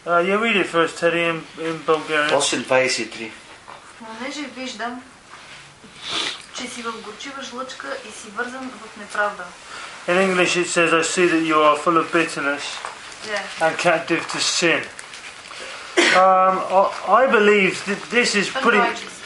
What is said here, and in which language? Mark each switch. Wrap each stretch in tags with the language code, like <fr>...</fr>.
<en>Read it first, Teddy, in Bulgarian. 8:23.</en> <bg>Понеже виждам, че си в горчива жлъчка и си вързан в неправда.</bg> <en>In English it says, I see that you are full of bitterness and captive to sin. I believe that this is pretty...</en>